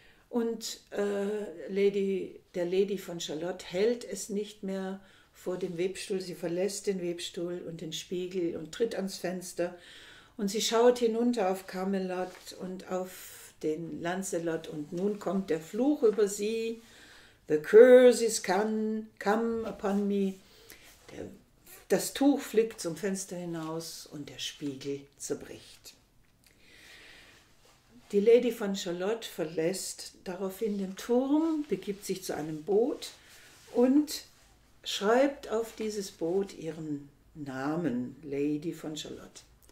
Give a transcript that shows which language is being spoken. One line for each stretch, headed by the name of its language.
German: Und der Lady von Shalott hält es nicht mehr vor dem Webstuhl. Sie verlässt den Webstuhl und den Spiegel und tritt ans Fenster. Und sie schaut hinunter auf Camelot und auf den Lancelot. Und nun kommt der Fluch über sie.
English: The curse is come upon me.
German: Das Tuch fliegt zum Fenster hinaus und der Spiegel zerbricht. Die Lady von Shalott verlässt daraufhin den Turm, begibt sich zu einem Boot und schreibt auf dieses Boot ihren Namen, Lady von Shalott.